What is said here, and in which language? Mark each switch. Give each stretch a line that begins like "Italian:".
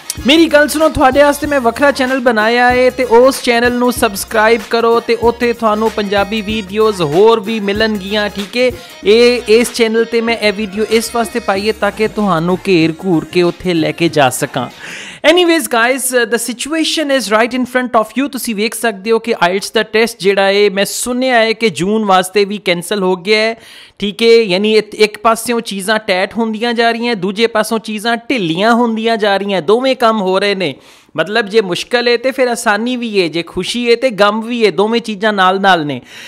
Punjabi: ਮੇਰੀ ਗੱਲ ਸੁਣੋ, ਤੁਹਾਡੇ ਵਾਸਤੇ ਮੈਂ ਵੱਖਰਾ ਚੈਨਲ ਬਣਾਇਆ ਹੈ ਅਤੇ ਉਸ ਚੈਨਲ ਨੂੰ ਸਬਸਕ੍ਰਾਈਬ ਕਰੋ ਅਤੇ ਉੱਥੇ ਤੁਹਾਨੂੰ ਪੰਜਾਬੀ ਵੀਡੀਓਜ਼ ਹੋਰ ਵੀ ਮਿਲਣਗੀਆਂ, ਠੀਕ ਹੈ। ਇਹ ਇਸ ਚੈਨਲ 'ਤੇ ਮੈਂ ਇਹ ਵੀਡੀਓ ਇਸ ਵਾਸਤੇ ਪਾਈ ਹੈ ਤਾਂ ਕਿ ਤੁਹਾਨੂੰ ਘੇਰ ਘੂਰ ਕੇ ਉੱਥੇ ਲੈ ਕੇ ਜਾ ਸਕਾਂ।
English: Anyways, guys, the situation is right in front of you.
Punjabi: ਤੁਸੀਂ ਵੇਖ ਸਕਦੇ ਹੋ ਕਿ IELTS ਦਾ ਟੈਸਟ ਜਿਹੜਾ ਹੈ, ਮੈਂ ਸੁਣਿਆ ਹੈ ਕਿ ਜੂਨ ਵਾਸਤੇ ਵੀ ਕੈਂਸਲ ਹੋ ਗਿਆ ਹੈ, ਠੀਕ ਹੈ। ਯਾਨੀ ਇੱਕ ਪਾਸਿਓਂ ਚੀਜ਼ਾਂ ਟੈਟ ਹੁੰਦੀਆਂ ਜਾ ਰਹੀਆਂ, ਦੂਜੇ ਪਾਸੋਂ ਚੀਜ਼ਾਂ ਢਿੱਲੀਆਂ ਹੁੰਦੀਆਂ ਜਾ ਰਹੀਆਂ। ਦੋਵੇਂ ਕੰਮ ਹੋ ਰਹੇ ਨੇ, ਮਤਲਬ ਜੇ ਮੁਸ਼ਕਲ ਹੈ ਤਾਂ ਫਿਰ ਆਸਾਨੀ ਵੀ ਹੈ, ਜੇ ਖੁਸ਼ੀ ਹੈ ਤਾਂ ਗਮ ਵੀ ਹੈ, ਦੋਵੇਂ ਚੀਜ਼ਾਂ ਨਾਲ ਨਾਲ ਨੇ।